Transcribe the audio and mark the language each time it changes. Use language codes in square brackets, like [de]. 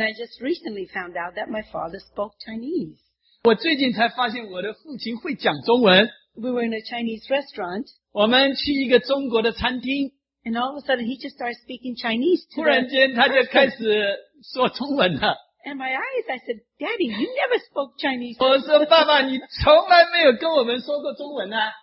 [en] I just recently found out that my father spoke Chinese. [zh] 我最近才发现我的父亲会讲中文。 [en] We were in a Chinese restaurant. [zh] 我们去一个中国的餐厅。 [en] And all of a sudden he just started speaking Chinese to me. [zh] 突然间他就开始说中文了。 [en] And my eyes, I said, Daddy, you never spoke Chinese. [zh] 我说爸爸，你从来没有跟我们说过中文呢。